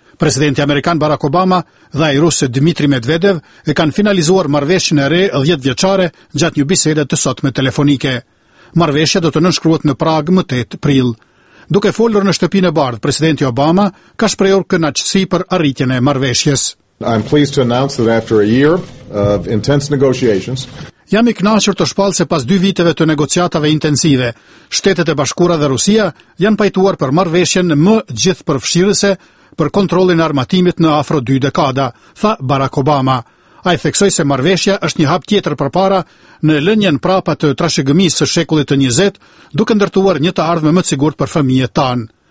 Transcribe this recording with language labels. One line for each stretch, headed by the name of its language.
Albanian: Presidenti Amerikan Barack Obama dhe ai rusë Dmitri Medvedev e kanë finalizuar marrëveshjen e re 10 vjeçare gjatë një bisede të sotme telefonike. Marrëveshja do të nënshkruhet në Pragë më 8 prill. Duke folur në shtëpinë e bardhë, Presidenti Obama ka shprehur kënaqësi për arritjen e marrëveshjes.
English: I'm pleased to announce that after a year of intense negotiations,
Albanian: jam i kënaqur të shpall se pas dy viteve të negociatave intensive, Shtetet e Bashkuara dhe Rusia janë pajtuar për marrëveshjen më gjithëpërfshirëse për kontrollin e armatimit në afro dy dekada, tha Barack Obama. Ai theksoi se marrëveshja është një hap tjetër përpara në lënien prapa të trashëgimisë së shekullit të 20, duke ndërtuar një të ardhme më të sigurt për fëmijët tan.